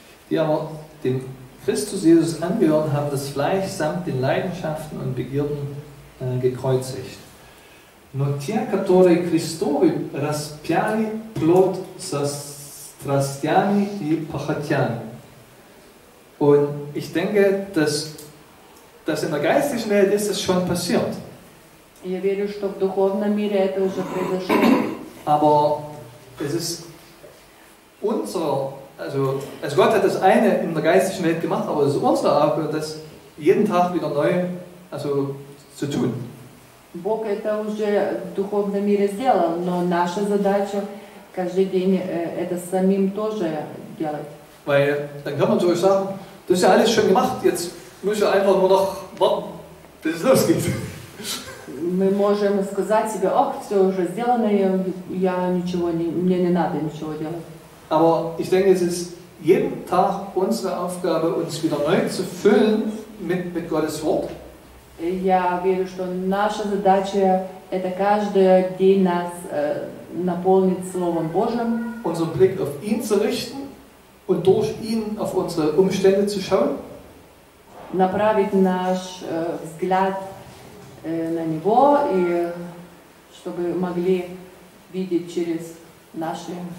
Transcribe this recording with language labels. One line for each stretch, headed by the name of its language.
German: Die aber dem Christus Jesus angehören, haben das Fleisch samt den Leidenschaften und Begierden gekreuzigt.
Russian: Но те, которые Христовы, распяли плод со страстями и похотями.
German: Und ich denke, dass das in der geistlichen Welt ist, das schon passiert.
Russian: Я верю, что в духовном мире это уже произошло.
German: Aber es ist unser... Also Gott hat das eine in der geistlichen Welt gemacht, aber es ist unsere Aufgabe, das jeden Tag wieder neu zu tun.
Russian: Бог это уже в духовном мире сделал, но наша задача каждый день это самим тоже делать.
German: Weil dann kann man so sagen, das ist ja alles schon gemacht, jetzt muss ich einfach nur noch warten, bis es losgeht.
Russian: Мы можем сказать себе, ох, все уже сделано, я ничего не, мне не надо ничего делать.
German: Aber ich denke, es ist jeden Tag unsere Aufgabe, uns wieder neu zu füllen mit Gottes Wort.
Russian: Я верю, что наша задача это каждый день нас наполнить Словом Божьим.
German: Unseren Blick auf ihn zu richten und durch ihn auf unsere Umstände zu schauen.
Russian: Направить наш взгляд на него и чтобы могли видеть через наши